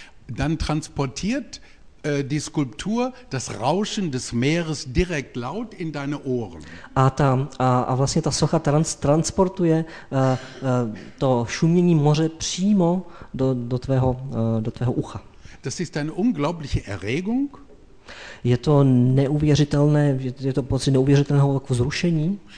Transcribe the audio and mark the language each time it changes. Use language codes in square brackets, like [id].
[de] Dann transportiert die Skulptur das Rauschen des Meeres direkt laut in deine Ohren. [cs] A vlastně ta socha transportuje to šumění moře přímo do tvého ucha. [de] Das ist eine unglaubliche Erregung. [cs] Je to neuvěřitelné, je to pocit neuvěřitelného jako vzrušení.